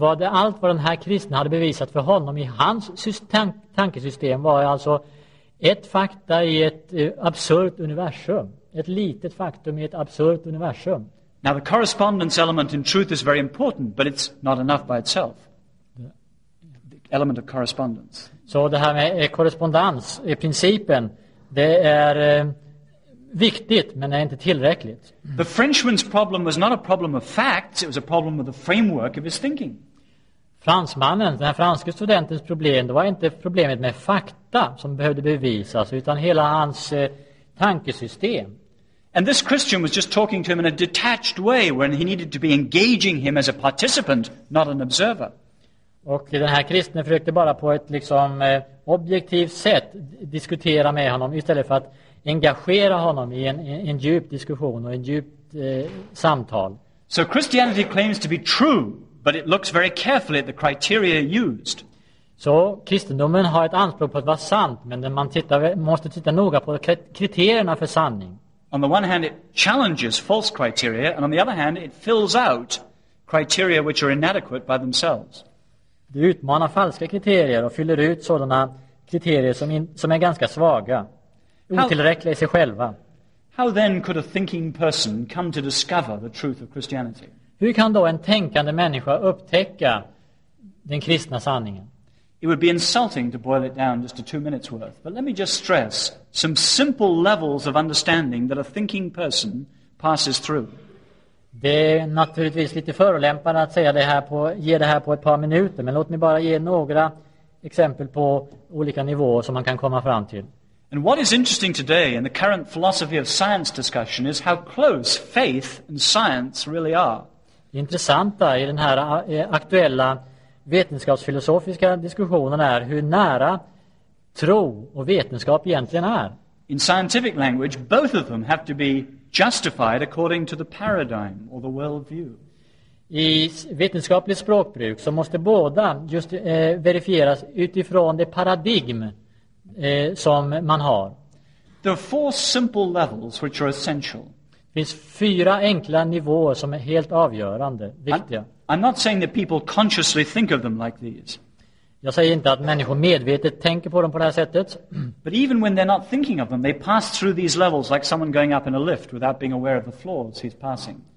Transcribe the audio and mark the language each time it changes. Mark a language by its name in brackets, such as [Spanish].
[Swedish] Allt vad den här kristen hade bevisat för honom i hans tankesystem var alltså ett fakta i ett absurt universum. Ett litet faktum i ett absurt universum. [English] Now the correspondence element in truth is very important, but it's not enough by itself. The element of correspondence. [Swedish] Så det här med korrespondens i principen, det är viktigt, men är inte tillräckligt. [English] The Frenchman's problem was not a problem of facts, it was a problem of the framework of his thinking. [Swedish] Fransmannen, den här franske studentens problem, det var inte problemet med fakta som behövde bevisas, utan hela hans tankesystem. [English] And this Christian was just talking to him in a detached way when he needed to be engaging him as a participant, not an observer. [Swedish] Och den här kristne försökte bara på ett liksom objektivt sätt diskutera med honom istället för att engagera honom i en djup diskussion och en djup samtal. [English] So Christianity claims to be true. But it looks very carefully at the criteria used. [Swedish] Så kristendomen har ett anspråk på att vara sant, men man måste titta noga på kriterierna för sanning. [English] On the one hand it challenges false criteria and on the other hand it fills out criteria which are inadequate by themselves. [Swedish] Det utmanar falska kriterier och fyller ut sådana kriterier som är ganska svaga, otillräckliga i sig själva. [English] How then could a thinking person come to discover the truth of Christianity? [Swedish] Hur kan då en tänkande människa upptäcka den kristna sanningen? [English] It would be insulting to boil it down just to 2 minutes worth, but let me just stress some simple levels of understanding that a thinking person passes through. [Swedish] Det är naturligtvis lite förolämpande att säga det här på, ge det här på ett par minuter, men låt mig bara ge några exempel på olika nivåer som man kan komma fram till. [English] And what is interesting today in the current philosophy of science discussion is how close faith and science really are. [Swedish] Det intressanta i den här aktuella vetenskapsfilosofiska diskussionen är hur nära tro och vetenskap egentligen är. [English] In scientific language, both of them have to be justified according to the paradigm or the worldview. [Swedish] I vetenskapligt språkbruk så måste båda just verifieras utifrån det paradigm som man har. [English] There are 4 simple levels which are essential. [Swedish] Det finns 4 enkla nivåer som är helt avgörande, viktiga. [English] I'm not saying that people consciously think of them like these. [Swedish] Jag säger inte att människor medvetet tänker på dem på det här sättet. [English] But even when they're not thinking of them, they pass through these levels like someone going up in a lift without being aware of the floors he's passing.